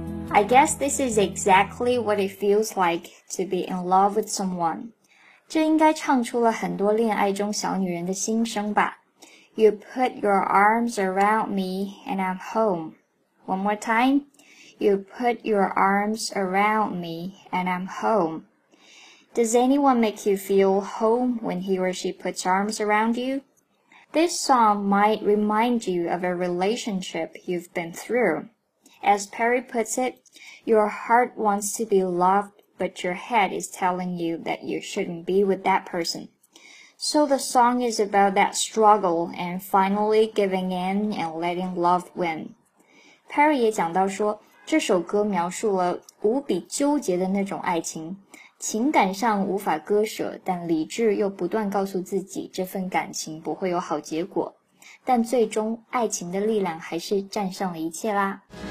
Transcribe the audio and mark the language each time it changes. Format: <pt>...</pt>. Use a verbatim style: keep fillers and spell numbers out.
<en>I guess this is exactly what it feels like to be in love with someone.</en> <zh>这应该唱出了很多恋爱中小女人的心声吧。</zh> <en>You put your arms around me and I'm home. One more time. You put your arms around me and I'm home. Does anyone make you feel home when he or she puts arms around you? This song might remind you of a relationship you've been through. As Perri puts it, your heart wants to be loved, but your head is telling you that you shouldn't be with that person. So the song is about that struggle and finally giving in and letting love win.</en> <zh>Perri 也讲到说，这首歌描述了无比纠结的那种爱情，情感上无法割舍，但理智又不断告诉自己这份感情不会有好结果。但最终，爱情的力量还是战胜了一切啦。</zh>